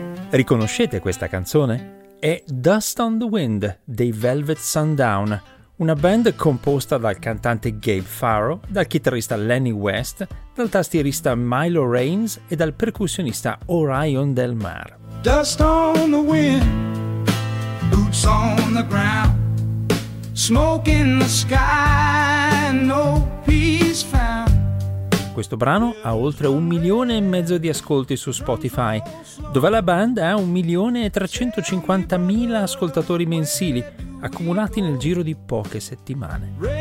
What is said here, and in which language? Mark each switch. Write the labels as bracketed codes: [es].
[it] Riconoscete questa canzone? È Dust on the Wind dei Velvet Sundown, una band composta dal cantante Gabe Faro, dal chitarrista Lenny West, dal tastierista Milo Raines e dal percussionista Orion Del Mar. [en] Dust on the wind, boots on the ground, smoke in the sky, no peace found. [it] Questo brano ha oltre 1,5 milioni di ascolti su Spotify, dove la band ha 1,350,000 ascoltatori mensili, accumulati nel giro di poche settimane.